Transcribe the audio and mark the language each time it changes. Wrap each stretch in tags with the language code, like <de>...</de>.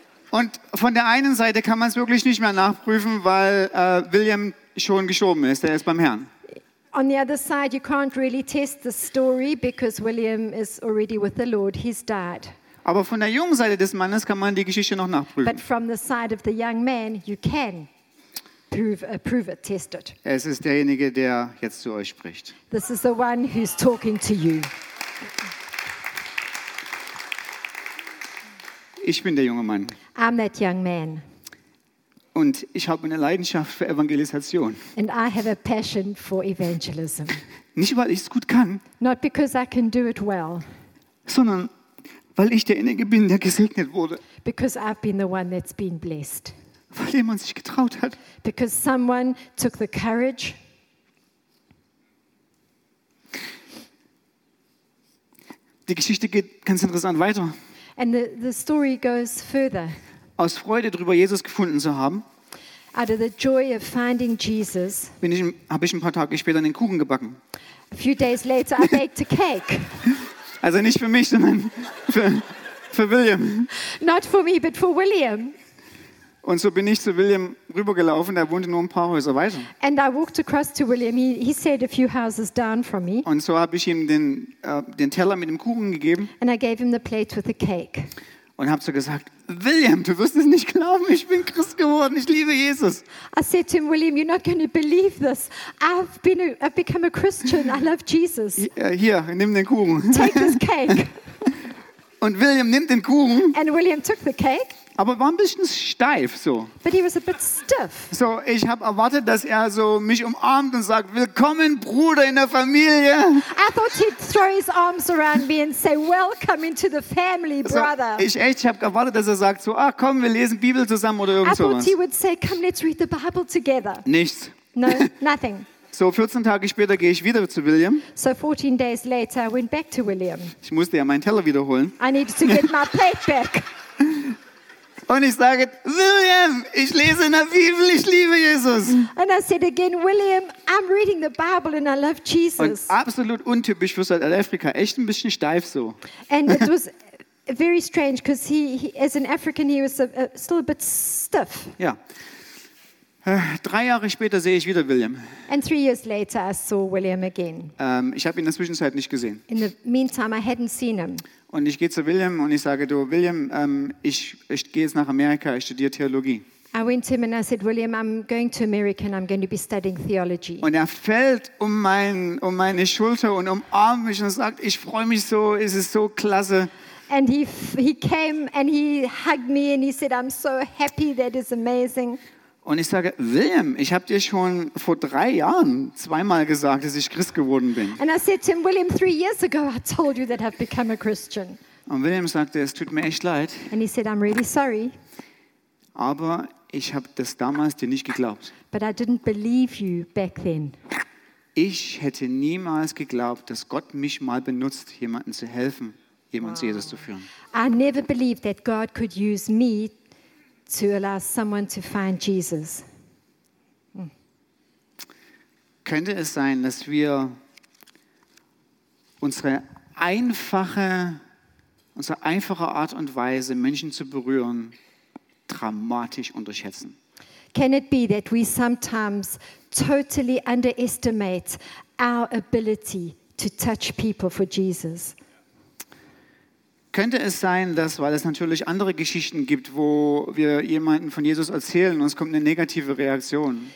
<de>Und von der einen Seite kann man es wirklich nicht mehr nachprüfen, weil William schon gestorben ist, er ist beim Herrn.</de> <en>On the other side, you can't really test the story because William is already with the Lord. He's died.</en> <de>Aber von der jungen Seite des Mannes kann man die Geschichte noch nachprüfen.</de> <en>But from the side of the young man, you can prove it, test it.</en> <de>Es ist derjenige, der jetzt zu euch spricht.</de> <en>This is the one who's talking to you.</en> <de>Ich bin der junge Mann.</de> <en>I'm that young man.</en> <de>Und ich habe eine Leidenschaft für Evangelisation.</de> <en>And I have a passion for evangelism.</en> <de>Nicht, weil ich es gut kann.</de> <en>Not because I can do it well.</en> <de>Sondern, weil ich derjenige bin, der gesegnet wurde.</de> <en>Because I've been the one that's been blessed.</en> <de>Weil jemand sich getraut hat.</de> <en>Because someone took the courage.</en> <de>Die Geschichte geht ganz interessant weiter.</de> <en>And the story goes further.</en> <de>Aus Freude darüber, Jesus gefunden zu haben,</de> <en>out of the joy of finding Jesus,</en> <de>habe ich ein paar Tage später einen Kuchen gebacken.</de> <en>A few days later, I baked a cake.</en> <de>Also nicht für mich, sondern für William.</de> <en>Not for me, but for William.</en> <de>Und so bin ich zu William rübergelaufen, der wohnte nur ein paar Häuser weiter.</de> <en>And I walked across to William, he stayed a few houses down from me.</en> <de>Und so habe ich ihm den Teller mit dem Kuchen gegeben.</de> <en>And I gave him the plate with the cake.</en> <de>Und habe so gesagt, William, du wirst es nicht glauben, ich bin Christ geworden, ich liebe Jesus.</de> <en>I said to him, William, you're not going to believe this. I've become a Christian, I love Jesus.</en> <de>Hier, nimm den Kuchen.</de> <en>Take this cake.</en> <de>Und William nimmt den Kuchen.</de> <en>And William took the cake.</en> <de>Aber war ein bisschen steif so.</de> <en>But he was a bit stiff.</en> <de>So, ich habe erwartet, dass er so mich umarmt und sagt, willkommen Bruder in der Familie.</de> <en>I thought he'd throw his arms around me and say, welcome into the family, brother.</en> <de>So, ich habe erwartet, dass er sagt so, ah, komm, wir lesen Bibel zusammen oder irgend sowas.</de> <en>I thought he would say, come, let's read the Bible together.</en> <de>Nichts.</de> <en>No, nothing.</en> <de>So 14 Tage später gehe ich wieder zu William.</de> <en>So 14 days later, I went back to William.</en> <de>Ich musste ja meinen Teller wiederholen.</de> <en>I needed to get my plate back.</en> <de>Und ich sage, William, ich lese in der Bibel, ich liebe Jesus.</de> <en>And I said again, William, I'm reading the Bible and I love Jesus.</en> <de>Und absolut untypisch für Südafrika, echt ein bisschen steif so. And it was very strange because he, as an African, he was still a bit stiff. Ja. 3 Jahre später sehe ich wieder William.</de> <en>And 3 years later, I saw William again.</en> <de>Ich habe ihn in der Zwischenzeit nicht gesehen.</de> <en>In the meantime, I hadn't seen him.</en> <de>Und ich gehe zu William und ich sage, du, William, ich gehe jetzt nach Amerika, ich studiere Theologie.</de> <en>I went to him and I said, William, I'm going to America and I'm going to be studying theology.</en> <de>Und er fällt um meine Schulter und umarmt mich und sagt, ich freue mich so, es ist so klasse.</de> <en>And he came and he hugged me and he said, I'm so happy, that is amazing.</en> <de>Und ich sage, William, ich habe dir schon vor 3 Jahren 2-mal gesagt, dass ich Christ geworden bin.</de> <en>And I said to him, William, 3 years ago I told you that I've become a Christian.</en> <de>Und William sagte, es tut mir echt leid.</de> <en>And he said, I'm really sorry.</en> <de>Aber ich habe das damals dir nicht geglaubt.</de> <en>But I didn't believe you back then.</en> <de>Ich hätte niemals geglaubt, dass Gott mich mal benutzt, jemanden zu helfen, jemanden zu Jesus zu führen.</de> <en>I never believed that God could use me to allow someone to find Jesus.</en> <de>Könnte es sein, dass wir unsere einfache Art und Weise, Menschen zu berühren, dramatisch unterschätzen?</de> <en>Can it be that we sometimes totally underestimate our ability to touch people for Jesus?</en> <de>Könnte es sein, dass, weil es natürlich andere Geschichten gibt, wo wir jemanden von Jesus erzählen und es kommt eine negative Reaktion?</de>